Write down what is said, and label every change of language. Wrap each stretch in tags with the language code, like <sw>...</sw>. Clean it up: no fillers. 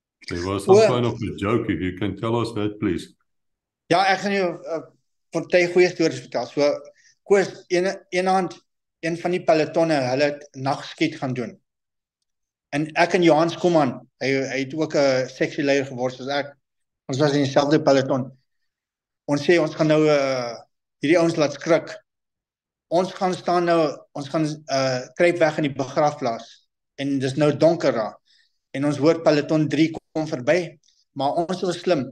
<en>It was some kind of a joke, if you can tell us that, please.</en> <af>Ja, ek gaan jou party goeie stories vertel. So, Koos, een van die pelotonne, hulle het nagskiet gaan doen. En ek en Johannes Koeman, hy het ook 'n seksie leier geword soos ek. Ons was in dieselfde peloton. Ons sê ons gaan nou hierdie ouens laat skrik. Ons gaan staan nou, ons gaan kruip weg in die begraafplaas. en dis nou donker raak. En ons hoor peloton 3 kom verby, maar ons is slim.</af>